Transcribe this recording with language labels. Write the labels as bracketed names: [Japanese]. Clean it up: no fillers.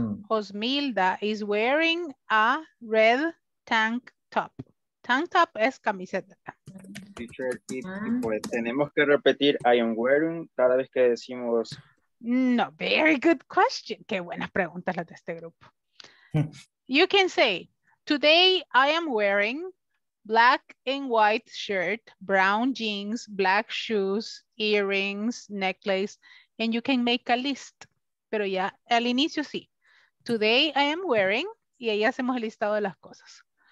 [English] Osmilda is wearing a red tank top. [Spanish] Tank top es camiseta. Pues tenemos que repetir [English] I am wearing [Spanish] cada vez que decimos. [English] No, very good question. [Spanish] Qué buenas preguntas las de este grupo. [English] You can say, today I am wearing black and white shirt, brown jeans, black shoes, earrings, necklace, and you can make a list. [Spanish] Pero ya al inicio sí. [English] Today I am wearing, [Spanish] y ahí hacemos el listado de las cosas.